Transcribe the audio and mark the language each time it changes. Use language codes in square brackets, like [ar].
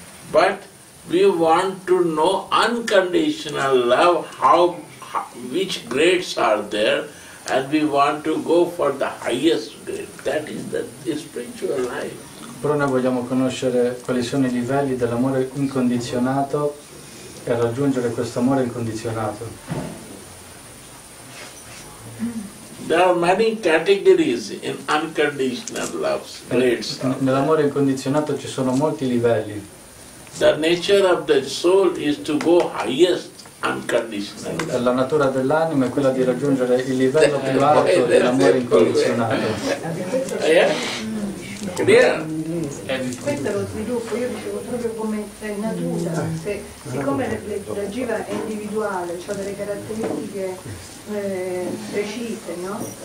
[en] But we want to know unconditional love, which grades are there, and we want to go for the highest grade. That is the spiritual life. [it] Però noi vogliamo conoscere quali sono i livelli dell'amore incondizionato per raggiungere questo amore incondizionato. [en] There are many categories in unconditional love, grades. [it] Nell'amore incondizionato ci sono molti livelli. [en] The nature of the soul is to go highest unconditional. [it] La natura dell'anima è quella di raggiungere il livello più alto dell'amore incondizionato. Questo è lo sviluppo, io dicevo proprio come è natura, se, siccome la jiva è individuale, ha cioè delle caratteristiche precise, no?